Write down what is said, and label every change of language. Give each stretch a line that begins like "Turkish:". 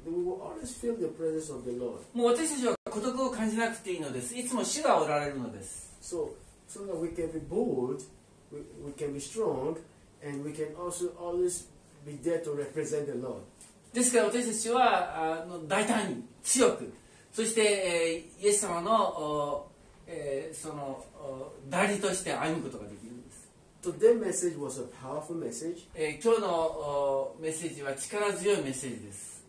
English: We will always feel the presence of the Lord.
Japanese: もう私たちは孤独を感じなくていいのです。いつも主がおられるのです。
English: So that we can be bold, we can be strong, and we can also always be there to represent the Lord.
Japanese: ですから私たちは大胆に強く、そして、イエス様のその代理として歩むことができるんです。
English: Today's message was a powerful message.
Japanese: 今日のメッセージは力強いメッセージです。